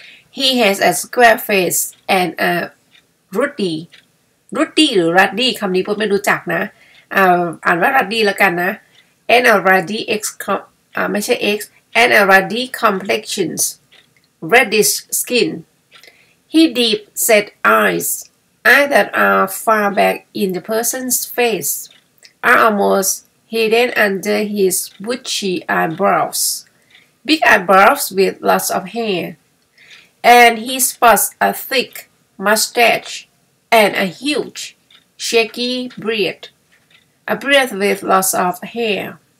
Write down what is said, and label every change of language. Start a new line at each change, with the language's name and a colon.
English: He has a square face and a ruddy. Ruddy
Thai: หรือ ruddy คำนี้ผมไม่รู้จักนะอ่านว่า ruddy แล้วกันนะ
English: and a ruddy x
Thai: ไม่ใช่
English: x and a ruddy complexion, reddish skin. He deep set eyes that are far back in the person's face are almost. Hidden under his bushy eyebrows, big eyebrows with lots of hair, and he sports a thick mustache and a huge, shaggy beard with lots of hair.